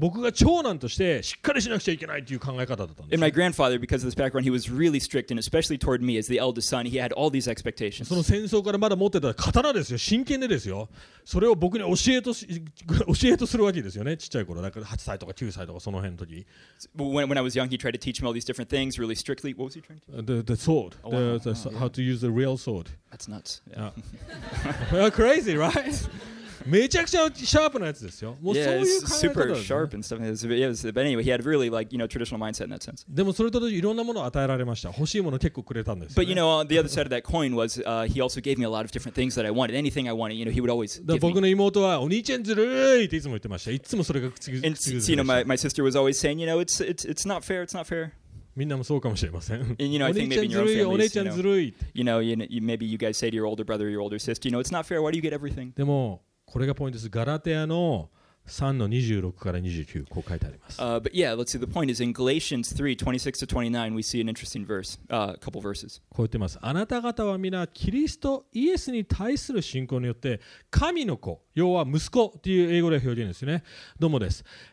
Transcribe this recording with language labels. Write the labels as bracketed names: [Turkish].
[English] And my grandfather, because of this background, he was really strict, and especially toward me as the eldest son, he had all these expectations. [Japanese] その戦争からまだ持ってた刀ですよ、真剣でですよ。それを僕に教えとするわけですよね、ちっちゃい頃。だから8歳とか9歳とかその辺の時。 [English] When I was young, he tried to teach me all these different things really strictly. What was he trying to teach? The sword. Oh, wow. The how to use the real sword. That's nuts. Yeah. Crazy, right? [Japanese] めちゃくちゃシャープなやつですよ。もうそういう考え方ですね。 [English] Yeah, super sharp and stuff. Yeah, but anyway, he had really like, you know, traditional mindset in that sense. [Japanese] でもそれと同時にいろんなものを与えられました。欲しいもの結構くれたんですよ、ね。 [English] But you know, on the other side of that coin was, he also gave me a lot of different things that I wanted. Anything I wanted, you know, he would always give [Japanese] me. 僕の妹はお兄ちゃんずるいっていつも言ってました。いつもそれが口癖でした。 [English] And you know, my sister was always saying, you know, it's not fair, it's not fair. [Japanese] みんなもそうかもしれません。 [English] And, you know, [Japanese] お姉ちゃんずるい、お姉ちゃんずるい。 [English] You know, maybe you guys say to your older brother, your older sister, you know, it's not fair. Why do you get everything? [Japanese] でもこれがポイントです。ガラテヤの3の26から29、こう書いてあります。 [English] But yeah, let's see. The point is in Galatians 3, 26 to 29, we see an interesting verse, a couple verses. [Japanese] こう言ってます。あなた方は皆キリストイエスに対する信仰によって神の子、要は息子っていう英語で表現ですよね。どうもです。